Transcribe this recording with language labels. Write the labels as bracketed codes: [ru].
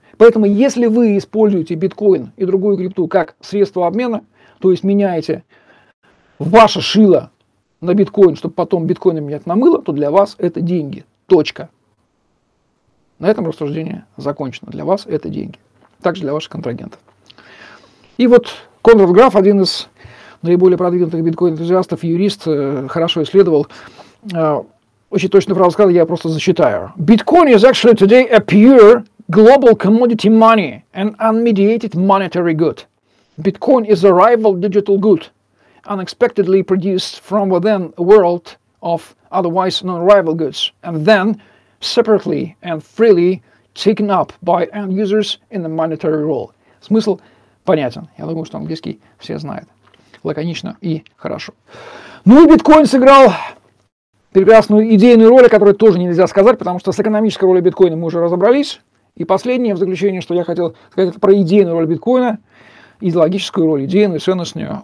[ru] Поэтому если вы используете биткоин и другую крипту как средство обмена, то есть меняете ваше шило на биткоин, чтобы потом биткоин менять на мыло, то для вас это деньги. Точка. На этом рассуждение закончено. Для вас это деньги. Также для ваших контрагентов. И вот Конрад Граф, один из наиболее продвинутых биткоин-энтузиастов, юрист, хорошо исследовал. Очень точную фразу сказал, я просто зачитаю. [en] Bitcoin is actually today a pure global commodity money, an unmediated monetary good. Bitcoin is a rival digital good, unexpectedly produced from within a world of otherwise non-rival goods, and then separately and freely taken up by end users in the monetary role. [ru] Смысл понятен. Я думаю, что английский все знают. Лаконично и хорошо. Ну и биткоин сыграл прекрасную идейную роль, о которой тоже нельзя сказать, потому что с экономической ролью биткоина мы уже разобрались. И последнее в заключение, что я хотел сказать, это про идейную роль биткоина, идеологическую роль, идейную, ценностную.